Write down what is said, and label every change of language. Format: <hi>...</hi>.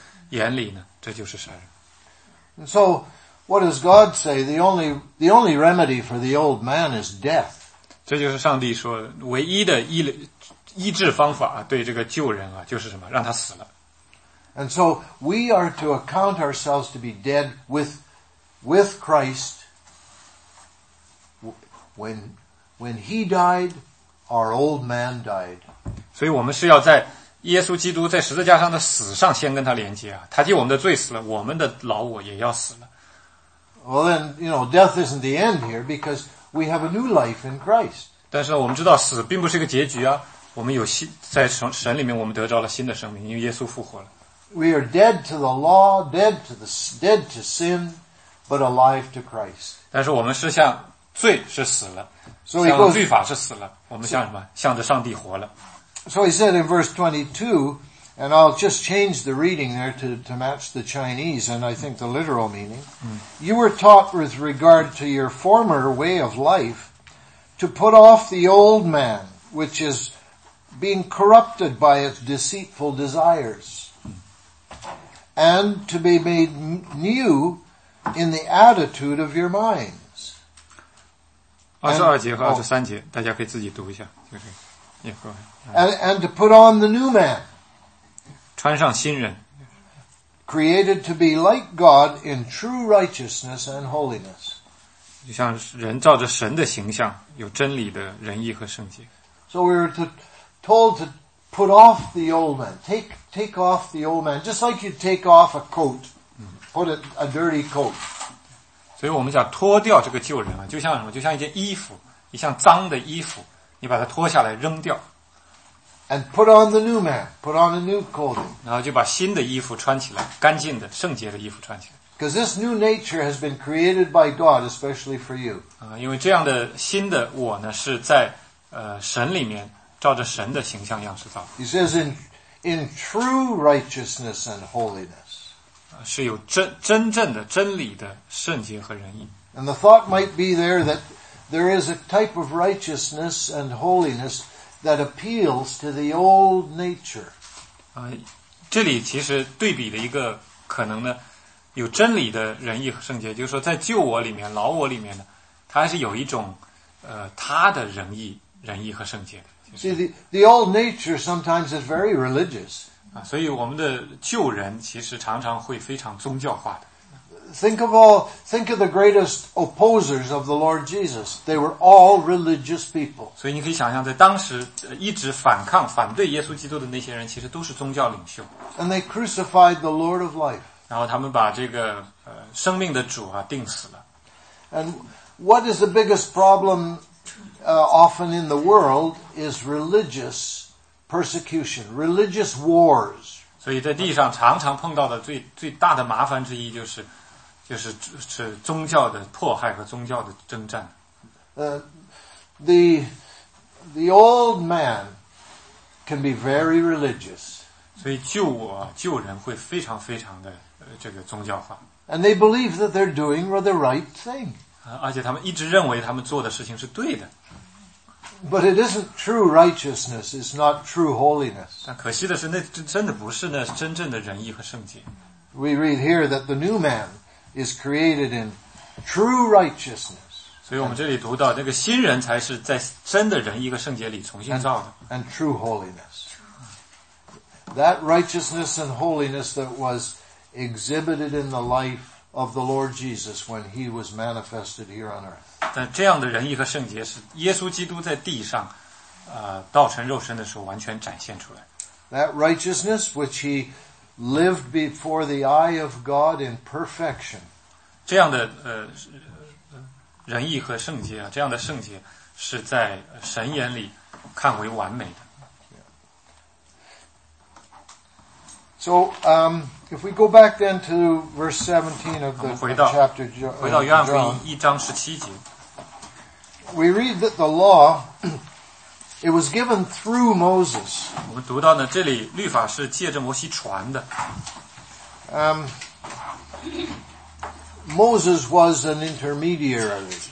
<zh>所以我们今天呢，我们都知道杀人是犯罪，但是如果我说呢，我们在座都是杀人犯呢，大家肯定就不会同意。但是呢，有一天耶稣在教导的时候跟他们门徒讲呢，你们都知道十诫里面讲不能杀人，但是呢，如果你们无故的向弟兄生气啊，骂他啊，骂弟兄是拉加和摩利啊，就是傻瓜和笨蛋，你们就是杀人了，你们在心里就是杀人了，在神的眼里呢，这就是杀人。</zh> <en>And so, what does God say? The only remedy for the old man is death.</en> <zh>这就是上帝说唯一的医治方法，对这个旧人啊，就是什么，让他死了。</zh> <en>And so we are to account ourselves to be dead with Christ when When he died, our old man died.</en> <zh>所以我们是要在耶稣基督在十字架上的死上先跟他连接啊，他替我们的罪死了，我们的老我也要死了。</zh> <en>Well, then, you know, death isn't the end here because we have a new life in Christ.</en> <zh>但是我们知道死并不是一个结局啊，我们有新在神里面，我们得着了新的生命，因为耶稣复活了。</zh> <en>We are dead to the law, dead to sin, but alive to Christ.</en> <zh>但是我们是像罪是死了，</zh> <en>so、goes,</en> <zh>像律法是死了，我们像什么？</zh> <en>So,</en> <zh>向着上帝活了。</zh> <en>So he said in verse 22, and I'll just change the reading there to match the Chinese and I think the literal meaning. You were taught with regard to your former way of life to put off the old man, which is being corrupted by its deceitful desires, and to be made new in the attitude of your minds.</en> <zh>22节和23节，大家可以自己读一下，就是</zh> <en>And to put on the new man,</en> <zh>穿上新人,</zh> <en>created to be like God in true righteousness and holiness.</en> <zh>就像人照着神的形象，有真理的仁义和圣洁。</zh> <en>So we were told to put off the old man, take off the old man, just like you take off a coat, put a dirty coat.</en> <zh>所以我们讲脱掉这个旧人啊，就像什么？就像一件衣服，一项脏的衣服。你把它脱下来扔掉。</zh> <en>And put on the new man, put on a new clothing.</en> <zh>然后就把新的衣服穿起来，干净的、圣洁的衣服穿起来。</zh> <en>Because this new nature has been created by God, especially for you.</en> <zh>因为这样的新的我呢，是在神里面照着神的形象样式造。</zh> <en>He says in true righteousness and holiness.</en> <zh>是有真正的真理的圣洁和仁义。</zh> <en>And the thought might be there that there is a type of righteousness and holiness that appeals to the old nature.</en> <zh>这里其实对比的一个可能呢，有真理的仁义和圣洁，就是说在旧我里面、老我里面呢，它还是有一种它的仁义和圣洁的。</zh> <en>See, the old nature sometimes is very religious.</en> <zh>所以我们的旧人其实常常会非常宗教化的。</zh> <en>Think of the greatest opposers of the Lord Jesus. They were all religious people.</en> <zh>所以你可以想象，在当时一直反对耶稣基督的那些人，其实都是宗教领袖。</zh> <en>And they crucified the Lord of Life.</en> <zh>然后他们把这个生命的主啊钉死了。</zh> <en>And what is the biggest problem, often in the world is religious persecution, religious wars.</en> <zh>所以在地上常常碰到的最大的麻烦之一就是。就是是宗教的迫害和宗教的征战。</zh> <en>The old man can be very religious.</en> <zh>所以旧我旧人会非常非常的这个宗教化。</zh> <en>And they believe that they're doing the right thing.</en> <zh>而且他们一直认为他们做的事情是对的。</zh> <en>But it isn't true righteousness. It's not true holiness.</en> <zh>但可惜的是，那真的不是那真正的仁义和圣洁。</zh> <en>We read here that the new man. Is created in true righteousness.</en> <zh>所以我们这里读到，这个新人才是在真的仁义和圣洁里重新造的。</zh> <en>And true holiness. That righteousness and holiness that was exhibited in the life of the Lord Jesus when He was manifested here on earth.</en> <zh>但这样的仁义和圣洁是耶稣基督在地上，道成肉身的时候完全展现出来。</zh> <en>That righteousness which He lived before the eye of God in perfection.</en> <zh>这样的仁义和圣洁啊，这样的圣洁是在神眼里看为完美的。</zh> <en>So, if we go back then to verse 17 of the chapter,</en> <zh>回到约翰福音一章十七节</zh> <en>，we read that the law. It was given through Moses.</en> <zh>我们读到呢，这里律法是借着摩西传的。</zh> <en>Moses was an intermediary.</en>